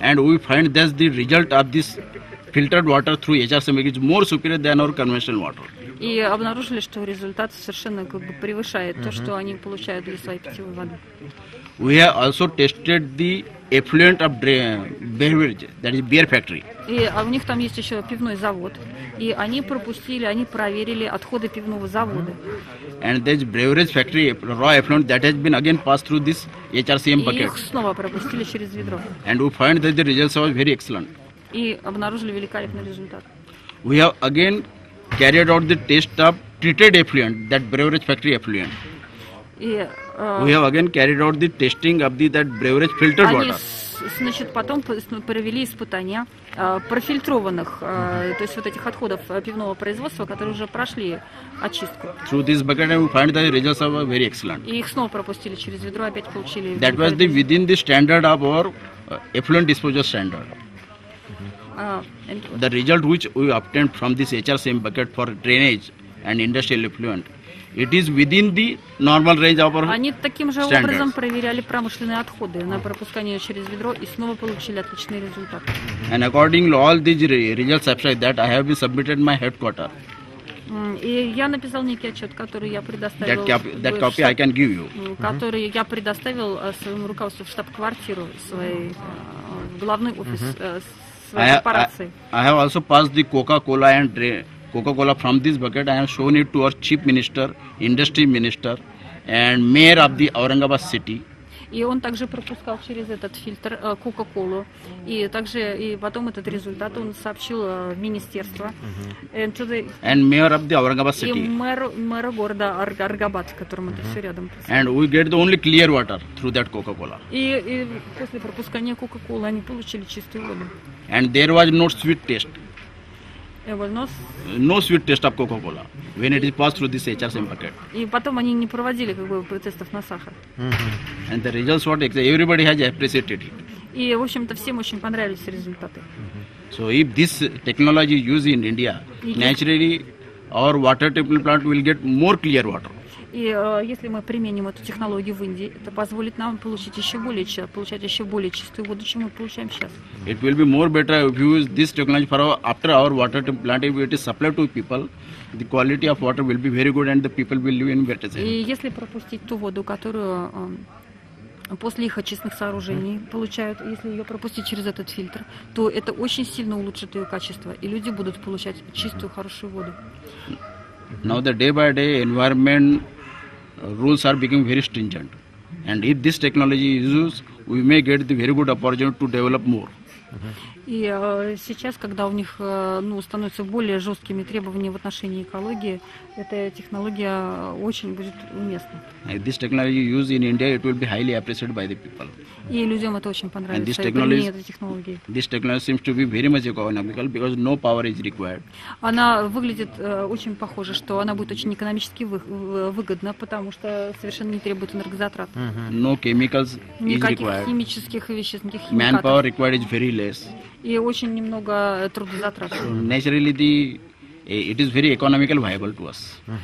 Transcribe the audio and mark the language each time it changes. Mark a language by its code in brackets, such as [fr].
[en] And we find that the result of this filtered water through HRCM is more superior than our conventional water. [ru] И обнаружили, что результат совершенно как бы превышает uh-huh. то, что они получают для своей питьевой воды. [en] We have also tested the effluent of beverage, that is beer factory. [ru] И у них там есть еще пивной завод. И они пропустили, они проверили отходы пивного завода. [en] And this beverage factory, raw effluent, that has been again passed through this HRCM bucket. [ru] И их снова пропустили через ведро. [en] And we find that the results are very excellent. [ru] И обнаружили великолепный результат. [en] We have again carried out the test of treated effluent, that beverage factory effluent. [ru] И [en] We have again carried out the testing of that beverage filtered water. [ru] Значит, потом провели испытания профильтрованных, то есть вот этих отходов пивного производства, которые уже прошли очистку. [en] Through this bucket we find the results are very excellent. [ru] И их снова пропустили через ведро, опять получили. [en] That was the within the standard of our effluent disposal standard. The result which we obtained from this HRCM bucket for drainage and industrial effluent, It is within the normal range of our standards. [ru] Они таким же образом проверяли промышленные отходы на пропускание через ведро и снова получили отличный результат. [en] And according to all these results that I have been submitted my headquarter. [ru] И я написал некий отчет, который я предоставил. [en] That copy I can give you. [ru] Который я предоставил своему руководству в штаб-квартиру, своей в главный офис своей корпорации. [en] I have also passed the Coca-Cola and Coca-Cola from this bucket. I have shown it to our Chief Minister, Industry Minister, and Mayor of the Aurangabad City. [ru] И он также пропускал через этот фильтр Coca-Cola. И также и потом этот результат он сообщил министерство. [en] And Mayor of the Aurangabad City. [ru] И мэра города Аурангабад, с которым это все рядом. [en] And we get the only clear water through that Coca-Cola. [ru] И после пропускания Coca-Cola они получили чистую воду. [en] And there was no sweet taste. No sweet test of Coca-Cola when it is passed through this HRSM bucket. [ru] И потом они не проводили как бы тестов на сахар. [en] And the results what everybody has appreciated it. [ru] И в общем-то всем очень понравились результаты. [en] So if this technology is used in India, naturally our water treatment plant will get more clear water. [ru] И если мы применим эту технологию в Индии, это позволит нам получать еще более чистую воду, чем мы получаем сейчас. [en] It will be more better if you use this technology for after our water plant, if it is supplied to people, the quality of water will be very good and the people will live in better. [ru] И если пропустить ту воду, которую после их очистных сооружений получают, если ее пропустить через этот фильтр, то это очень сильно улучшит ее качество, и люди будут получать чистую, хорошую воду. [en] Now the day by day environment rules are becoming very stringent, and if this technology is used, we may get the very good opportunity to develop more. [ru] И сейчас, когда у них становятся более жесткими требования в отношении экологии, эта технология очень будет уместна. [en] If this technology is used in India, it will be highly appreciated by the people. [ru] И людям это очень понравится, применение этой технологии. [en] This technology seems to be very much economical because no power is required. [ru] Она выглядит очень похоже, что она будет очень экономически выгодна, потому что совершенно не требует энергозатрат. [en] No chemicals is required. [ru] Никаких химических веществ, никаких химикатов. [en] Manpower required is very less. [ru] И очень немного трудозатрат. [en] Naturally, it is very economical viable to us.